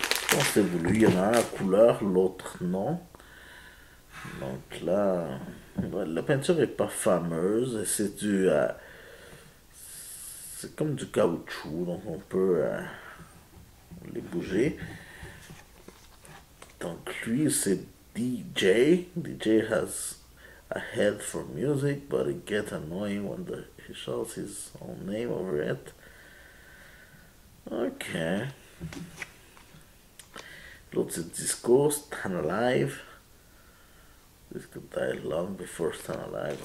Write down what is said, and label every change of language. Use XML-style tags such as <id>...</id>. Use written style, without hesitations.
<fr>Quand c'est voulu, il y en a un à couleur, l'autre non. Donc là, la peinture est pas fameuse, c'est comme du caoutchouc, donc on peut les bouger. Donc lui, c'est</fr> <en>DJ has a head for music, but it gets annoying when he shouts his own name over it. Ok.</en> <fr>L'autre, c'est Disco, Stan Alive.</fr> <en>This could die long before Stan Alive.</en>